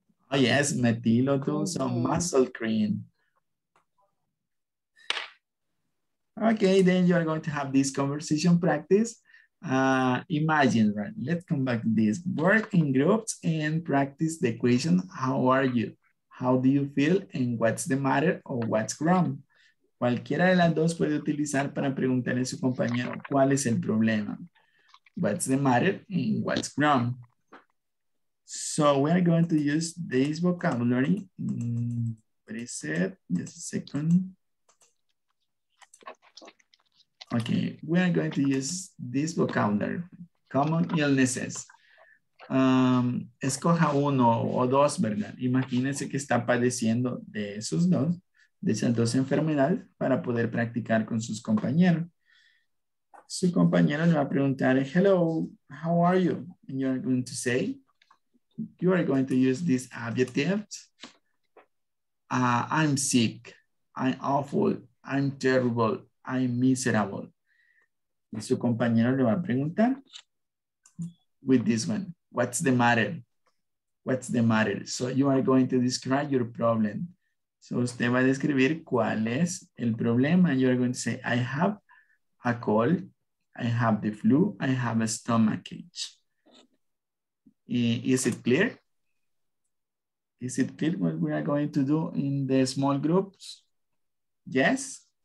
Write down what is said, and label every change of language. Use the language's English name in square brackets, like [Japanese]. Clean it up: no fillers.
[English] Oh, yes, metilo too. So, muscle cream. Okay, then you are going to have this conversation practice. Imagine, right? Let's come back to this. Work in groups and practice the question, how are you? How do you feel? And what's the matter or what's wrong? [Spanish] Cualquiera de las dos puede utilizar para preguntarle a su compañero cuál es el problema. [English] What's the matter and what's wrong? So we are going to use this vocabulary. Preset, just a second. Okay, we are going to use this vocabulary, common illnesses. [Spanish] Escoja uno o dos, ¿verdad? Imagínense que está padeciendo de esos dos, de esas dos enfermedades, para poder practicar con sus compañeros. Su compañero le va a preguntar, [English] hello, how are you? And you are going to say, you are going to use this adjective. I'm sick, I'm awful, I'm terrible. I'm miserable. [Spanish] Y su compañero le va a preguntar [English] with this one. What's the matter? What's the matter? So you are going to describe your problem. [Spanish] So usted va a describir cuál es el problema. [English] You are going to say, I have a cold. I have the flu. I have a stomachache. Is it clear? Is it clear what we are going to do in the small groups? Yes.